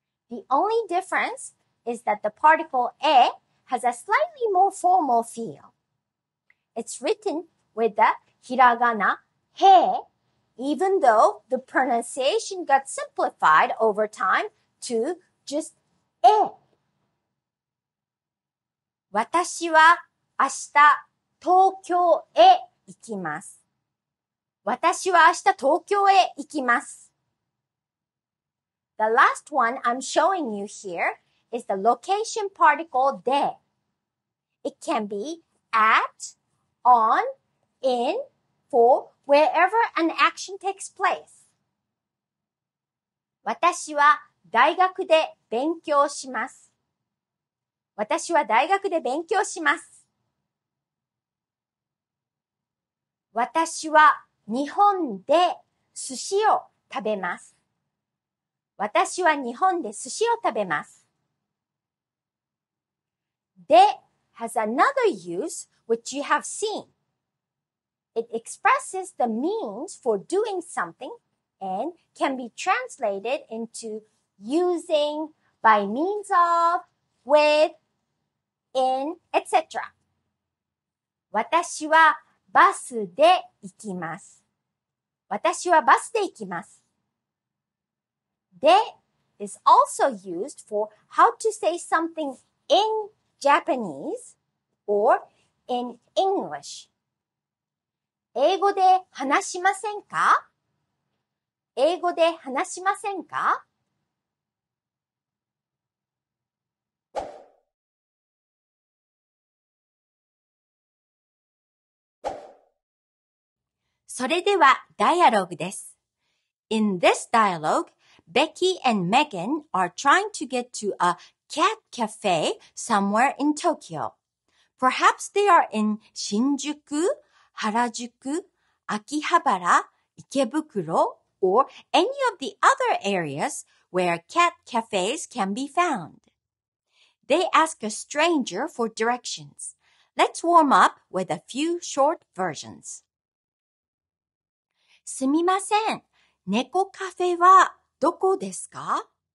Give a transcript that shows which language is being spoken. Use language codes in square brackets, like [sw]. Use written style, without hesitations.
[en] The only difference is that the particle e has a slightly more formal feel. It's written with the hiragana he, even though the pronunciation got simplified over time to just e. [ja] 私は明日東京へ行きます。私は明日東京へ行きます。 [en] The last one I'm showing you here is the location particle で。 It can be at, on, in, for, wherever an action takes place. [ja] 私は大学で勉強します。私は大学で勉強します。私は日本で寿司を食べます。私は日本で寿司を食べます。 [en] で has another use which you have seen. It expresses the means for doing something and can be translated into using, by means of, with,in, etc. [ja] 私はバスで行きます。私はバスで行きます。 [en] で is also used for how to say something in Japanese or in English. [ja] 英語で話しませんか?英語で話しませんか? それでは、ダイアログです。 [en] In this dialogue, Becky and Megan are trying to get to a cat cafe somewhere in Tokyo. Perhaps they are in 新宿、原宿、秋葉原、池袋、or any of the other areas where cat cafes can be found. They ask a stranger for directions. Let's warm up with a few short versions. [ja] すみません。猫カフェはどこですか?